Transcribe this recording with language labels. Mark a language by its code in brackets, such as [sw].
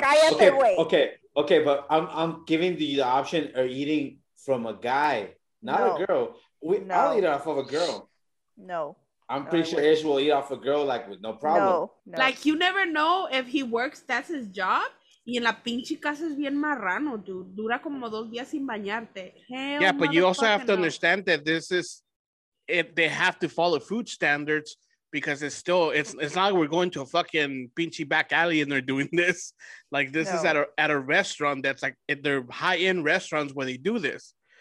[en] Okay, but I'm giving you the option of eating from a guy, not a girl. I'll eat off of a girl. No. I'm pretty sure Ish will eat off a girl, like, with no problem. No. Like, you never know if he works, that's his job. [es] Y en la pinche casa es bien marrano, dude. Dura como 2 días sin bañarte. Hell [en] yeah, but you also have to understand that this is, if they have to follow food standards, because it's not like we're going to a fucking pinche back alley and they're doing this. Like, this is at a restaurant that's like, if they're high-end restaurants where they do this.